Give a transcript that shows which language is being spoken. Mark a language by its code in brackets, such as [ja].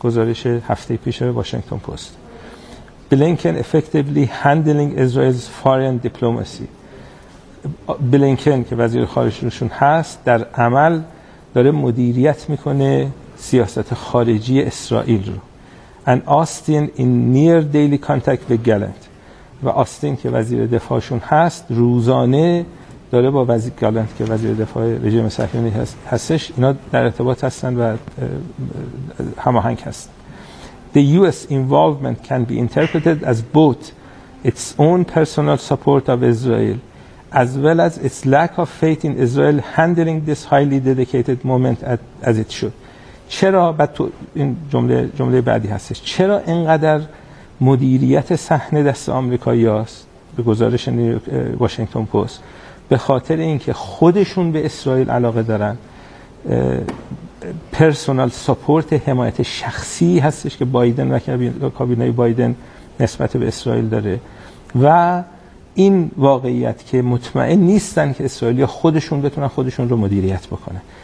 [fa] گزارش هفته پیش واشنگتن پست. [en] Blinken effectively handling اسرائیل foreign diplomacy. [fa] بلینکن که وزیر خارجهشون هست در عمل داره مدیریت میکنه سیاست خارجی اسرائیل رو. [en] And Austin in near daily contact with Gallant. [fa] و آستین که وزیر دفاعشون هست روزانه داره با وزیر گالنت که وزیر دفاع رژیم صهیونی هستش، اینا در ارتباط هستن و هماهنگ هستن. [en] The US involvement can be interpreted as both its own personal support of Israel as well as its lack of faith in Israel handling this highly dedicated moment as it should. [fa] چرا بعد تو این جمله بعدی هستش، چرا اینقدر مدیریت صحنه دست آمریکایی است؟ به گزارش واشنگتن پست، به خاطر اینکه خودشون به اسرائیل علاقه دارن، [en] personal support [fa] حمایت شخصی هستش که بایدن و کابینه بایدن نسبت به اسرائیل داره و این واقعیت که مطمئن نیستن که اسرائیلی‌ها خودشون بتونن خودشون رو مدیریت بکنن.